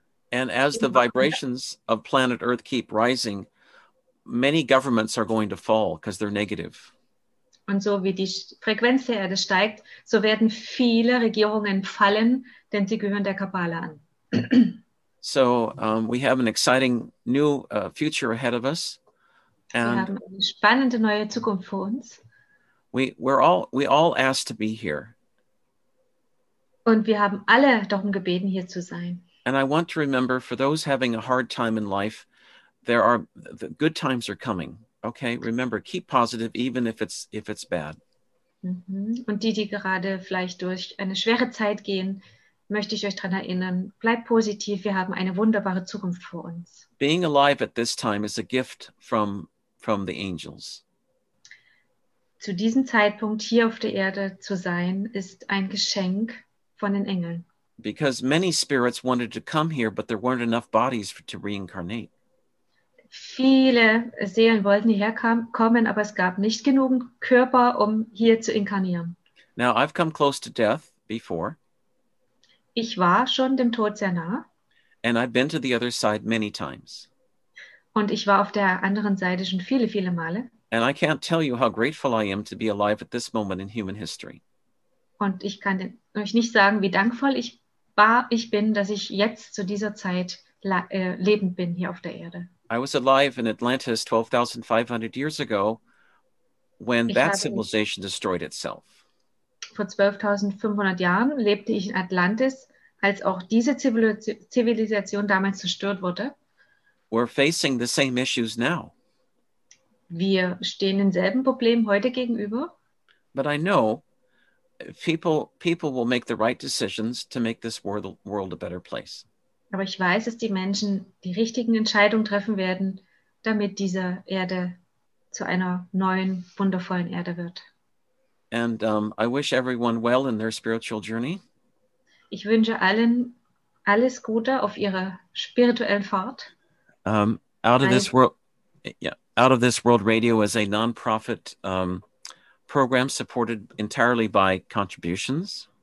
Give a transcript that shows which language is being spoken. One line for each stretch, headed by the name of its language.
English: And as the vibrations of planet Earth keep rising, many governments are going to fall because they're negative.
German: Und so wie die Frequenz der Erde steigt, so werden viele Regierungen fallen, denn sie gehören der Kabbala an.
English: So we have an exciting new future ahead of us.
German: And wir haben eine spannende neue Zukunft vor uns.
English: We all asked to be here.
German: Und wir haben alle darum gebeten, hier zu sein.
English: And I want to remember, for those having a hard time in life, there are the good times are coming. Okay, remember, keep positive, even if it's bad. Mm-hmm.
German: Und die gerade vielleicht durch eine schwere Zeit gehen, möchte ich euch daran erinnern, bleibt positiv, wir haben eine wunderbare Zukunft vor uns.
English: Being alive at this time is a gift from the angels.
German: Zu diesem Zeitpunkt hier auf der Erde zu sein, ist ein Geschenk von den Engeln.
English: Because many spirits wanted to come here, but there weren't enough bodies to reincarnate.
German: Viele Seelen wollten hierher kommen, aber es gab nicht genug Körper, um hier zu inkarnieren.
English: Now, I've come close to death before.
German: Ich war schon dem Tod sehr nah.
English: And I've been to the other side many times.
German: Und ich war auf der anderen Seite schon viele, viele Male.
English: And I can't tell you how grateful I am to be alive at this moment in human history.
German: Und ich kann euch nicht sagen, wie dankvoll ich bin, dass ich jetzt zu dieser Zeit lebend bin hier auf der Erde.
English: I was alive in Atlantis 12,500 years ago when that civilization destroyed itself.
German: Vor 12,500 Jahren lebte ich in Atlantis, als auch diese Zivilisation damals zerstört wurde.
English: We're facing the same issues now.
German: Wir stehen denselben Problem heute gegenüber.
English: But I know people will make the right decisions to make this world a better place.
German: Aber ich weiß, dass die Menschen die richtigen Entscheidungen treffen werden, damit diese Erde zu einer neuen, wundervollen Erde wird.
English: And I wish everyone well in their spiritual journey.
German: Ich wünsche allen alles Gute auf ihrer spirituellen Fahrt.
English: Out of This World Radio is a non-profit program supported entirely by contributions.